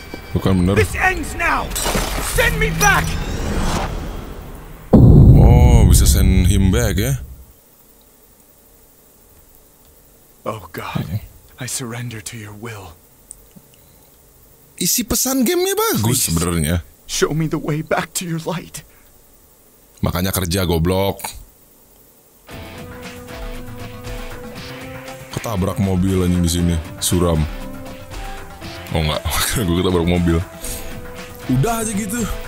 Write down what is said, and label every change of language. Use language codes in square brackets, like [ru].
[id] Bukan bener. [en] This ends now. Send me back. [id] Oh, bisa [en] send him back, [id] ya? [en] Oh God, I surrender to your will. [id] Isi pesan game-nya bagus sebenarnya. [en] Show me the way back to your light. [id] Makanya kerja goblok. Ketabrak mobil anjing di sini, suram. Oh enggak, gue ketabrak mobil. Udah aja gitu.